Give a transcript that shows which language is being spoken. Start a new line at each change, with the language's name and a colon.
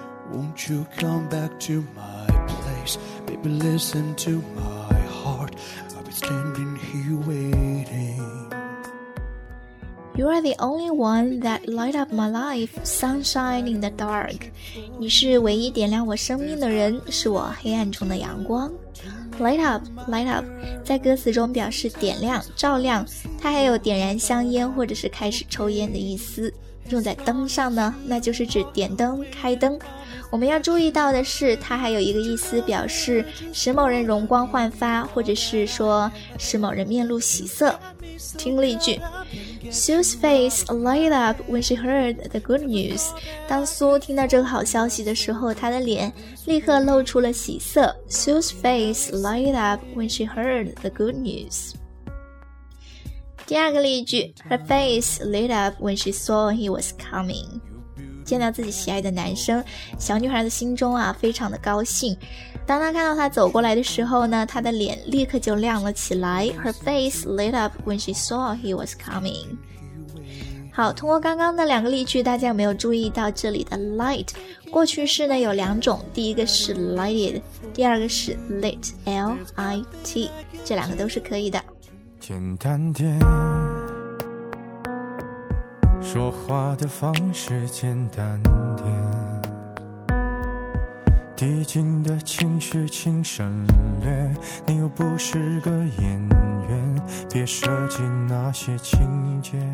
English: Won't you come back to my place? Baby, listen to my heart. I've been standing here waiting. You are the only one that light up my life, sunshine in the dark.
Chinese: 你是唯一点亮我生命的人，是我黑暗中的阳光。
English: Light up, light up,
Chinese: 在歌词中表示点亮、照亮，它还有点燃香烟或者是开始抽烟的意思。用在灯上呢，那就是指点灯、开灯。我们要注意到的是，它还有一个意思表示使某人容光焕发，或者是说使某人面露喜色。听例句
English: ，Sue's face lit up when she heard the good news。
Chinese: 当苏听到这个好消息的时候，她的脸立刻露出了喜色。
English: Sue's face lit up when she heard the good news。
Chinese: 第二个例句
English: ，Her face lit up when she saw he was coming。
Chinese: 见到自己喜爱的男生，小女孩的心中啊非常的高兴。当她看到他走过来的时候呢，她的脸立刻就亮了起来。
English: Her face lit up when she saw he was coming。
Chinese: 好，通过刚刚的两个例句，大家有没有注意到这里的 light 过去式呢有两种，第一个是 lighted， 第二个是 lit， L I T， 这两个都是可以的。简单点，说话的方式简单点，递进的情绪请省略，你又不是个演员，别设计那些情节。